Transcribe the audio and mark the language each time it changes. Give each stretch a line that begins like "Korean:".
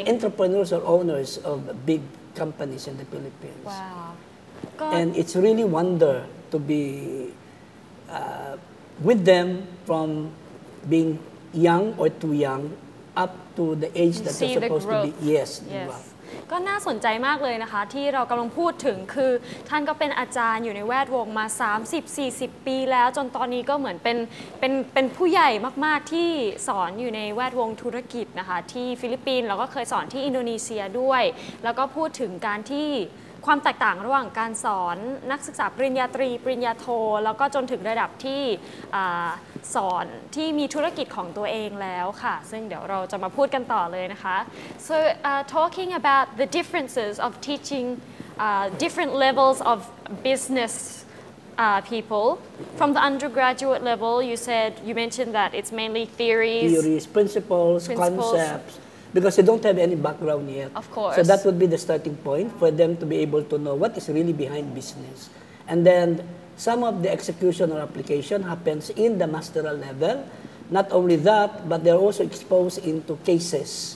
English: Even entrepreneurs or owners of big companies in the Philippines. Wow. And it's really wonder to be with them from being young or too young up to the age that they're supposed to be. Yes.
Thai: ก็น่าสนใจมากเลยนะคะที่เรากำลังพูดถึงคือท่านก็เป็นอาจารย์อยู่ในแวดวงมา 30-40 ปีแล้วจนตอนนี้ก็เหมือน เป็นผู้ใหญ่มากๆที่สอนอยู่ในแวดวงธุรกิจนะคะที่ฟิลิปปินส์แล้วก็เคยสอนที่อินโดนีเซียด้วยแล้วก็พูดถึงการที่ความแตกต่างระหว่างการสอนนักศึกษาปริญญาตรีปริญญาโทแล้วก็จนถึงระดับที่
English: สอนที่มีธุรกิจของตัวเองแล้วค่ะซึ่งเดี๋ยวเราจะมาพูดกันต่อเลยนะคะ so talking about the differences of teaching different levels of businesspeople from the undergraduate level you mentioned that it's mainly theories principles. Concepts. Because they don't have any background yet. Of course. So that would be the starting point for them to be able to know what is really behind business. And then some of the execution or application happens in the masteral level. Not only that, but they're also exposed into cases.